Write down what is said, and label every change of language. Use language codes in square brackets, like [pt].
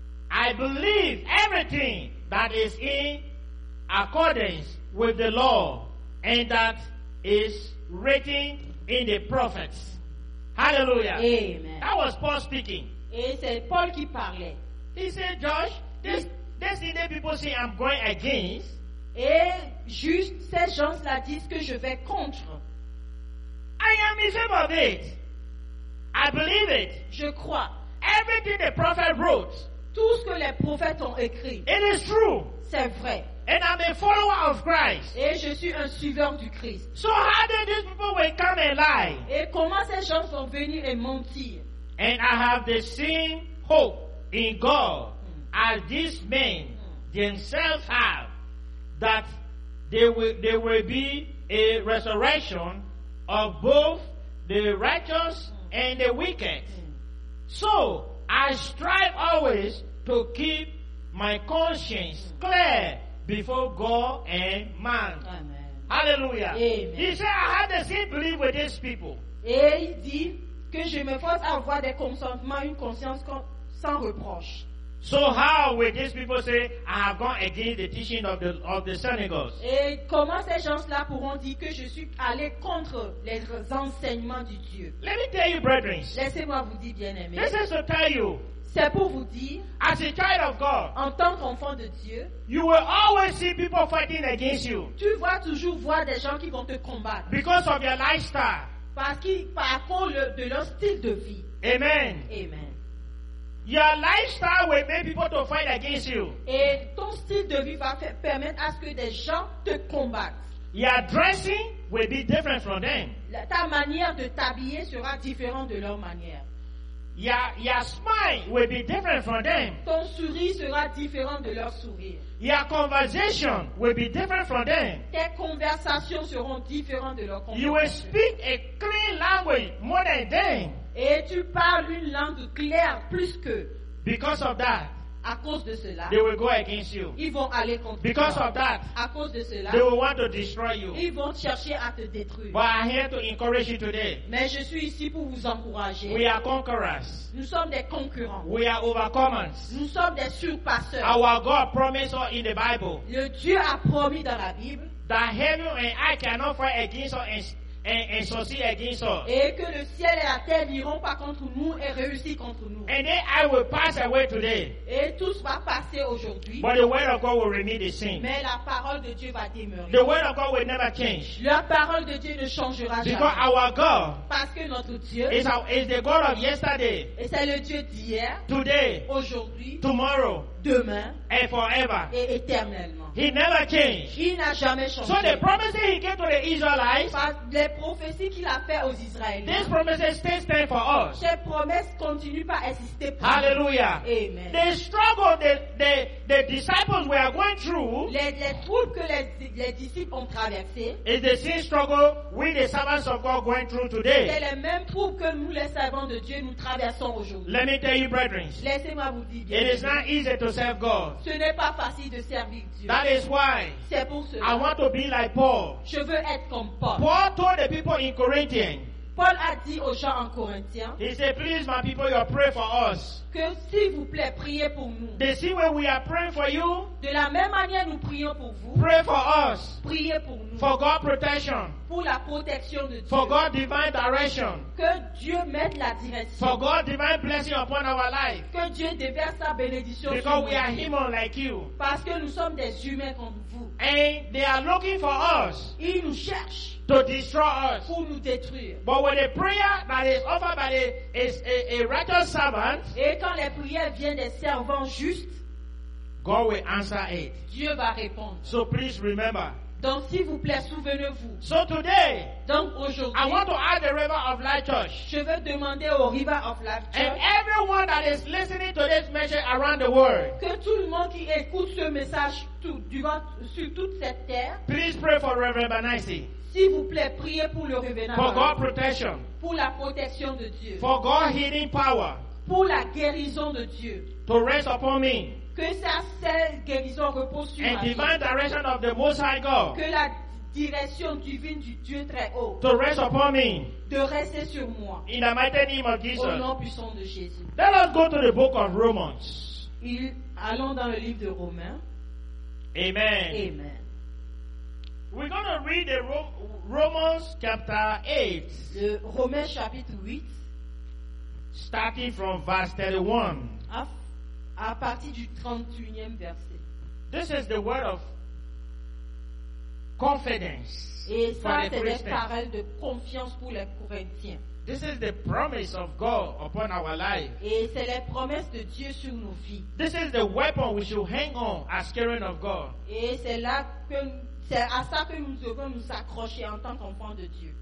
[en] I believe everything that is in accordance with the law and that is written in the prophets. Hallelujah. Amen. That was Paul speaking. [fr] Et c'est Paul qui parlait. [en] He said, Josh, this thing that people say I'm going against. [fr] Et juste ces gens-là disent que je vais contre. [en] I am in favor of it. I believe it. [fr] Je crois. [en] Everything the prophet wrote. [fr] Tout ce que les prophètes ont écrit. [en] It is true. [fr] C'est vrai. [en] And I'm a follower of Christ. [fr] Et je suis un suiveur du Christ. [en] So how did these people will come and lie? [fr] Et comment ces gens sont venus et mentir? [en] And I have the same hope in God as these men themselves have that there will be a resurrection of both the righteous and the wicked. So I strive always to keep my conscience clear before God and man. Amen. Hallelujah. Amen. He said, I had the same belief with these people. [fr] Et il dit que je me force à avoir des consentements, une conscience sans reproche. [en] So how will these people say I have gone against the teaching of the synagogues? [fr] Et comment ces gens-là pourront dire que je suis allé contre les enseignements du Dieu? [en] Let me tell you, brethren. [fr] Laissez-moi vous dire, bien-aimés. [en] This is to tell you. [fr] C'est pour vous dire. [en] As a child of God. [fr] En tant qu'enfant de Dieu. [en] You will always see people fighting against you. [fr] Tu vas toujours voir des gens qui vont te combattre. [en] Because of your lifestyle. [fr] Parce qu'ils parcourent de leur style de vie. [en] Amen. Amen. Your lifestyle will make people to fight against you. [fr] Et ton style de vie va permettre à ce que des gens te combattent. [en] Your dressing will be different from them. [fr] Ta manière de t'habiller sera différente de leur manière. [en] Your smile will be different from them. [fr] Ton sourire sera différent de leur sourire. [en] Your conversation will be different from them. [fr] Tes conversations seront différentes de leurs conversations. [en] You will speak a clear language more than them. [fr] Et tu parles une langue claire plus qu'eux. [en] Because of that, [fr] à cause de cela, [en] they will go against you. [fr] Ils vont aller contre [en] because [fr] toi. [en] Of that, [fr] à cause de cela, [en] they will want to destroy you. [fr] Ils vont chercher à te détruire. [en] But I'm here to encourage you today. [fr] Mais je suis ici pour vous encourager. [en] We are conquerors. [fr] Nous sommes des concurrents. [en] We are overcomers. [fr] Nous sommes des surpasseurs. [en] Our God promised us in the Bible. [fr] Le Dieu a promis dans la Bible. [en] That heaven and earth cannot fight against us. And succeed against us. [fr] Et que le ciel et la terre n'iront pas contre nous et réussissent contre nous. [en] And then I will pass away today. [fr] Et tout va passer aujourd'hui. [en] But the word of God will remain the same. [fr] Mais la parole de Dieu va demeurer. [en] The word of God will never change. [fr] La parole de Dieu ne changera [en] because [fr] jamais. [en] Because our God, [fr] parce que notre Dieu, [en] is the God of yesterday. [fr] Et c'est le Dieu d'hier, [en] today, [fr] aujourd'hui, [en] tomorrow, [fr] demain, [en] and forever, [fr] et éternellement. [en] He never changed. [fr] Il n'a jamais changé. [en] So the promises he gave to the Israelites, [fr] les prophéties qu'il a fait aux Israélites, [en] these promises still stand for us. [fr] Ces promesses continuent à exister pour [en] hallelujah. [fr] Nous. Amen. [en] The struggle the disciples were going through, [fr] les troubles que les disciples ont traversé, [en] is the same struggle we the servants of God going through today. [fr] C'est les mêmes troubles que nous les servants de Dieu nous traversons aujourd'hui. [en] Let me tell you, brethren. [fr] Laissez-moi vous dire. [en] It is not easy to serve God. [fr] Ce n'est pas facile de servir Dieu. [en] That is why I want to be like Paul. [fr] Je veux être comme Paul. [en] Paul told the people in Corinthians. [fr] Paul a dit aux gens en Corinthiens. [en] He said, please, my people, you pray for us. [fr] Que s'il vous plaît, priez pour nous. [en] The same way we are praying for you. [fr] De la même manière, nous prions pour vous. [en] Pray for us. [fr] Priez pour nous. [en] For God's protection. [fr] Pour la protection de Dieu. [en] For God's divine direction. [fr] Que Dieu mette la direction. [en] For God's divine blessing upon our life. [fr] Que Dieu déverse sa bénédiction [en] because [fr] sur nous. [en] Because we are human like you. [fr] Parce que nous sommes des humains comme vous. [en] And they are looking for us. [fr] Ils nous cherchent. [en] To destroy us. [fr] Pour nous détruire. [en] But when a prayer that is offered by a righteous servant. [fr] Et quand les prières viennent des servants justes. [en] God will answer it. [fr] Dieu va répondre. [en] So please remember. [fr] Donc s'il vous plaît, souvenez-vous. [en] So today. [fr] Donc aujourd'hui. [en] I want to add the River of Life Church. [fr] Je veux demander au River of Life Church. [en] And everyone that is listening to this message around the world. [fr] Que tout le monde qui écoute ce message sur toute cette terre. [en] Please pray for Reverend Banaisi. [fr] S'il vous plaît, priez pour le revenant. [en] For God's protection. [fr] Pour la protection de Dieu. [en] For God's healing power. [fr] Pour la guérison de Dieu. [en] To rest upon me. [fr] Que sa seule guérison repose sur [en] and [fr] ma [en] and divine direction of the Most High God. [fr] Que la direction divine du Dieu très haut. [en] To rest upon me. [fr] De rester sur moi. [en] In the mighty name of Jesus. [fr] Au nom puissant de Jésus. [en] Let us go to the book of Romans. [fr] Allons dans le livre de Romains. [en] Amen. Amen. We're going to read the Romans chapter 8. [fr] Le Romains chapitre 8. [en] Starting from verse 31. [fr] À partir du 31e verset. [en] This is the word of confidence. [fr] Et ça, c'est les paroles de confiance pour les Corinthiens. [en] This is the promise of God upon our life. [fr] Et c'est les promesses de Dieu sur nos vies. [en] This is the weapon we should hang on as children of God. [fr] Et c'est là que c'est à ça que nous devons nous accrocher en tant qu'enfants de Dieu.